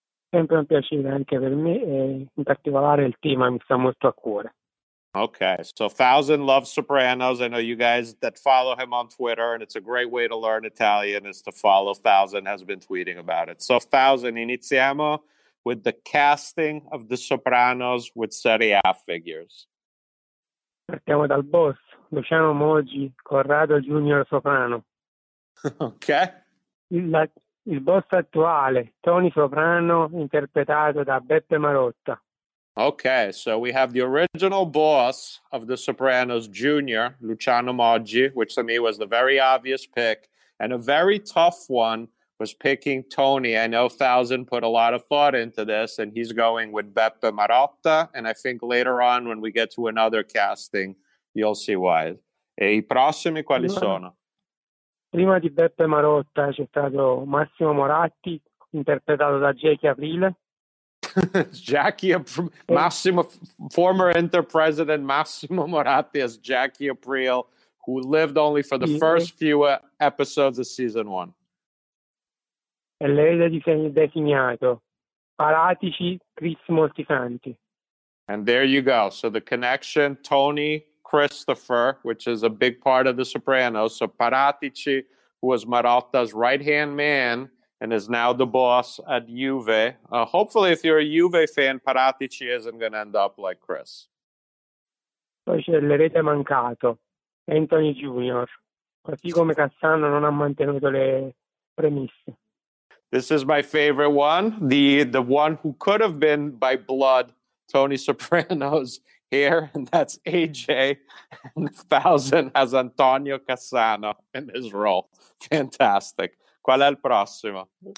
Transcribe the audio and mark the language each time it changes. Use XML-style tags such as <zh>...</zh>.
<it>Sempre un piacere anche per me, e in particolare il team mi sta molto a cuore.</it> <en>Okay, so Thousand loves Sopranos. I know you guys that follow him on Twitter, and it's a great way to learn Italian is to follow Thousand, has been tweeting about it. So Thousand, iniziamo with the casting of The Sopranos with Serie A figures.</en> <it>Partiamo dal boss, Luciano Moggi, Corrado Junior Soprano.</it> <en>Okay.</en> <it>Il boss attuale, Tony Soprano, interpretato da Beppe Marotta.</it> <en>Okay, so we have the original boss of The Sopranos, Junior, Luciano Moggi, which to me was the very obvious pick. And a very tough one was picking Tony. I know Thousand put a lot of thought into this, and he's going with Beppe Marotta. And I think later on, when we get to another casting, you'll see why.</en> <it>E i prossimi quali sono? Prima di Beppe Marotta c'è stato Massimo Moratti, interpretato da Jackie Aprile.</it> <en>Jackie, Massimo, former Inter president Massimo Moratti as Jackie Aprile, who lived only for the first few episodes of season one.</en> <it>E l'erede designato, Paratici, Chris Moltisanti.</it> <en>And there you go. So the connection, Tony Christopher, which is a big part of The Sopranos. So Paratici, who was Marotta's right-hand man, and is now the boss at Juve. Hopefully, if you're a Juve fan, Paratici isn't going to end up like Chris.</en> <it>Poi c'è l'erede mancato, Anthony Junior. Così come Cassano non ha mantenuto le premesse.</it> <en>This is my favorite one. The one who could have been by blood, Tony Soprano's heir, and that's AJ. And Thousand has Antonio Cassano in his role. Fantastic.</en> <it>Qual è il prossimo?</it>